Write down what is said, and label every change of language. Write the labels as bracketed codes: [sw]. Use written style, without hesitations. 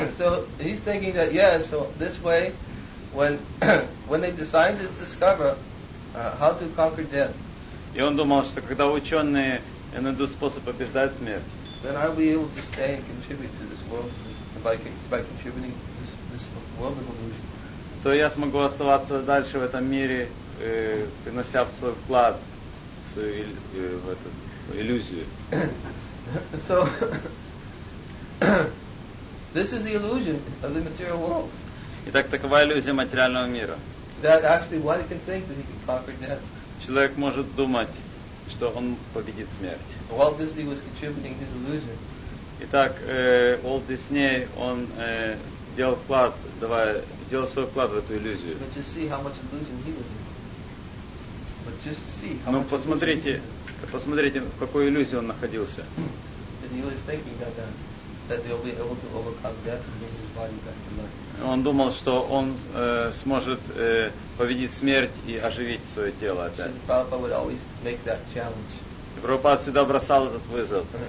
[en] So he's thinking that yeah, so this way, when when the scientists discover how to conquer death. [ru] И он думал, что когда ученые найдут способ побеждать смерть. [en] Then I'll be able to stay and contribute to this world by contributing this world of illusion. [ru] То я смогу оставаться дальше в этом мире, принося свой вклад в свою в эту иллюзию. [en] So this is the illusion of the material world. [ru] Итак, такова иллюзия материального мира. [en] That actually one can think that he can conquer death. [ru] Человек может думать, что он победит смерть. [en] Walt Disney was contributing his illusion. [ru] Итак, Walt Disney, он делал свой вклад в эту иллюзию. [en] But just see how much illusion he was in. But just see how [ru] Ну, посмотрите, посмотрите, в какой иллюзии он находился. [en] And he was thinking that that they'll be able to overcome death and bring his body back to life. [ru] Он думал, что он сможет победить смерть и оживить свое тело опять. И Прабхупада всегда бросал этот вызов.